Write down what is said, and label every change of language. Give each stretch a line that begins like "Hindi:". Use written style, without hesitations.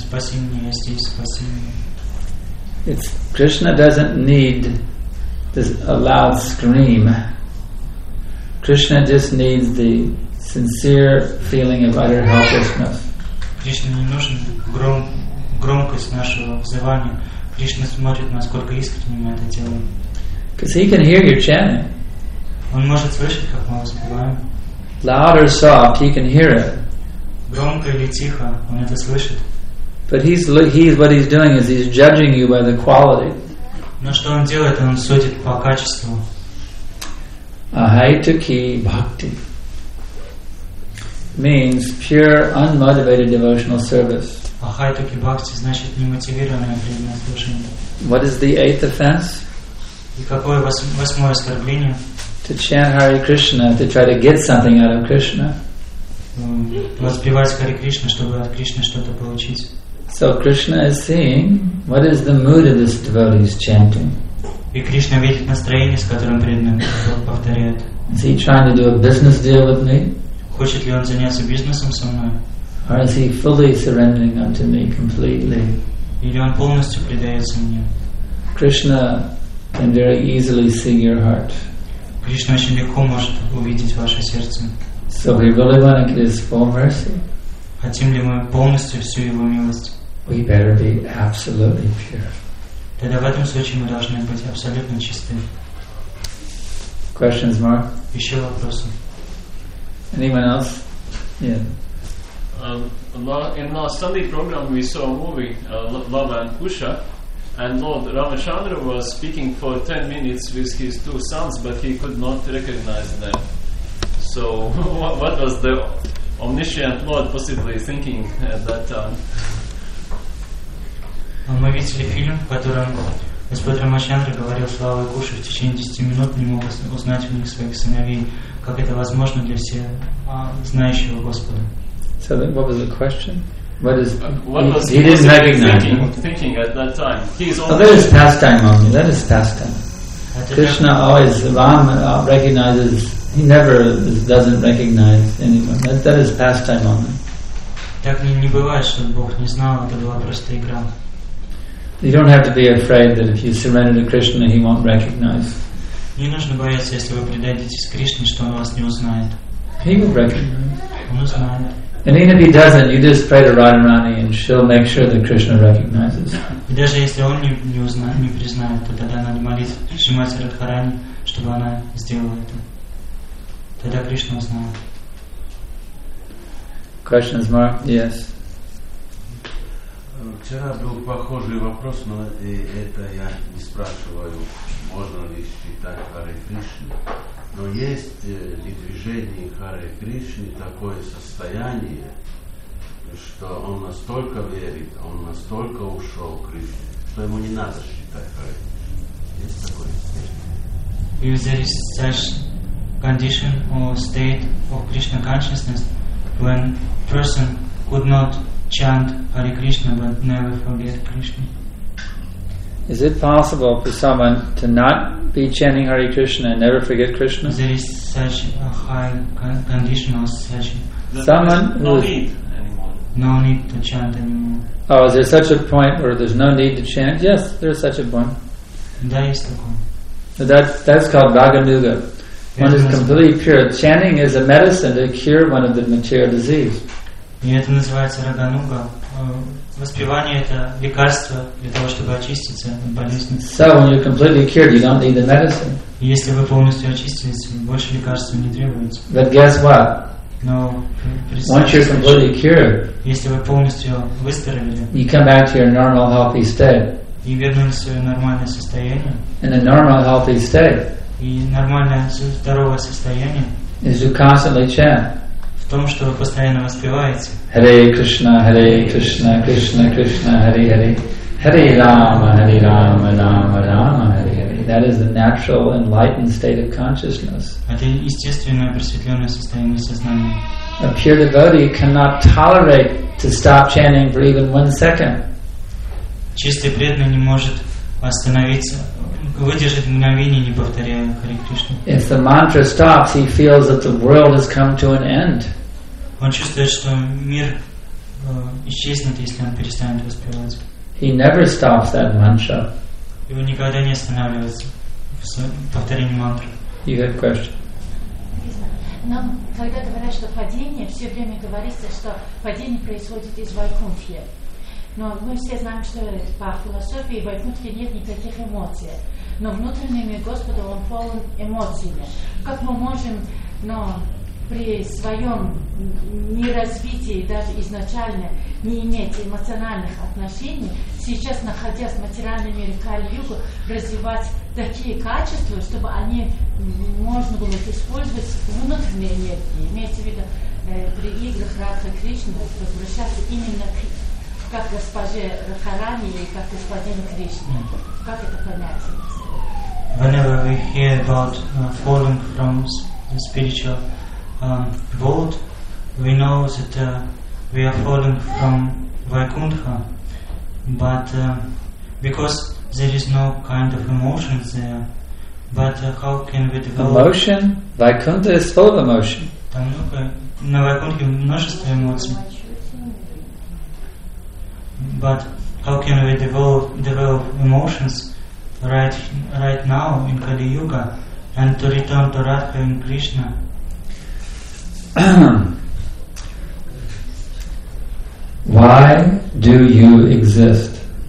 Russian: Спаси меня, я здесь, спаси меня.
English: It's Krishna doesn't need this a loud scream. Krishna just needs the sincere feeling of utter helplessness.
Russian: Кришне не нужен громкость нашего взывания. Кришна смотрит, насколько искренне мы это делаем.
English: Because he can hear your chanting.
Russian: Он может слышать, как мы воспеваем.
English: Loud or soft, he can hear it.
Russian: Громко или тихо, он это слышит.
English: But he's what he's doing is he's judging you by the quality.
Russian: Но что он делает? Он судит по качеству.
English: Ahaituki bhakti means pure, unmotivated devotional service.
Russian: Ahaituki bhakti значит немотивированное преданное служение.
English: What is the eighth offense?
Russian: И какое восьмое оскорбление?
English: To chant Hare Krishna to try to get something out of Krishna.
Russian: Воспевать Хари Кришна, чтобы от Кришны что-то получить.
English: So Krishna is seeing what is the mood of this devotee is chanting.
Russian: И Кришна видит настроение, с которым преданный повторяет.
English: Is he trying to do a business deal with me?
Russian: Хочет ли он заняться бизнесом со мной?
English: Or is he fully surrendering unto me completely?
Russian: Или он полностью предается мне?
English: Krishna can very easily see your heart.
Russian: Кришна очень легко может увидеть ваше сердце.
English: So we really want to get his full mercy.
Russian: Хотим ли мы полностью всю его милость?
English: We better be absolutely pure.
Russian: Тогда в этом случае мы должны быть абсолютно чисты.
English: Questions more?
Russian: Еще вопросы?
English: Anyone else? Yeah. In our Sunday program, we saw a movie, Lava and Kusha, and Lord Ramachandra was speaking for 10 minutes with his two sons, but he could not recognize them. So, what was the omniscient Lord possibly thinking at that time?
Russian: Мы видели фильм, в котором Господь Рамачандра говорил славой Куши в течение 10 минут не мог узнать у них своих сыновей. Как это возможно для всех знающего Господа?
English: So, what was the question? What is he didn't recognize thinking at that time? That is pastime only. That is pastime. Krishna always, Rama recognizes. He never doesn't recognize anyone. That is pastime only.
Russian: Так не бывает, чтобы Бог не знал, это была просто игра.
English: You don't have to be afraid that if you surrender to Krishna, he won't recognize.
Russian: Не нужно бояться, если вы предадитесь Кришне, что он вас не узнает.
English: He will recognize.
Russian: Он узнает.
English: And even if he doesn't, you just pray to Radharani and she'll make sure that Krishna recognizes.
Russian: И даже если он не узнает, не признает, то тогда надо молиться Шримати Радхарани, чтобы она сделала это. Тогда Кришна узнает.
English: Questions more? Yes.
Russian: Вчера был похожий вопрос, но это я не спрашиваю. можно ли считать Харе Кришна. Но есть и движение Харе Кришны такое состояние, что он настолько верит, он настолько ушел в Кришне, что ему не надо считать Харе Кришна. Есть такое состояние.
English: If there is such condition or state of Krishna consciousness, when person could not chant Hare Krishna but never forget Krishna. Is it possible for someone to not be chanting Hare Krishna and never forget Krishna? There is such a high condition or such someone no need anymore. No need to chant anymore. Oh, is there such a point where there's no need to chant? Yes, there is such a point. That is the point. So that's called Vaganuga. One is completely pure. Chanting is a medicine to cure one of the material disease.
Russian: И это называется рагануга. Воспевание это лекарство для того, чтобы очиститься от болезни.
English: So when you're completely cured, you don't need the medicine.
Russian: Если вы полностью очистились, больше лекарства не требуется.
English: But guess what? No. Once you're completely cured,
Russian: если вы полностью выздоровели,
English: you come back to your normal healthy state.
Russian: И вернулись в свое нормальное состояние.
English: In a normal healthy state.
Russian: И нормальное здоровое состояние
English: is to constantly chant.
Russian: В том, что вы постоянно воспеваете.
Sanskrit: Hare Krishna, Krishna Krishna, Hare Hare. Hare Rama, Hare Rama, Rama Rama, Hare Hare.
English: That is the natural enlightened state of consciousness.
Russian: Это естественное просветленное состояние сознания.
English: A pure devotee cannot tolerate to stop chanting for even 1 second.
Russian: Чистый преданный не может остановиться. Выдержит мгновение, не повторяя Харе Кришну.
English: If the mantra stops, he feels that the world has come to an end.
Russian: Он чувствует, что мир исчезнет, если он перестанет воспевать.
English: He never stops that mantra.
Russian: И он никогда не останавливается в повторении мантры.
English: You have a question?
Russian: Нам, когда говорят, что падение, все время говорится, что падение происходит из Вайкунтхи. Но мы все знаем, что по философии в Вайкунтхе нет никаких эмоций. Но внутренний мир Господа, он полон эмоциями. Как мы можем, но при своем неразвитии, даже изначально, не иметь эмоциональных отношений, сейчас, находясь в материальном мире Кали-Югу, развивать такие качества, чтобы они можно было использовать внутренние энергии. Имеется в виду, при играх Радха Кришны возвращаться именно к
English: Whenever we hear about falling from the spiritual world, we know that we are falling from Vaikuntha, but because there is no kind of emotions there, but how can we develop emotion? Vaikuntha is full of emotion.
Russian: Там много на Вайкунтхе множество эмоций.
English: But how can we develop emotions right now in Kali Yuga and to return to Radha and Krishna? Why do you exist?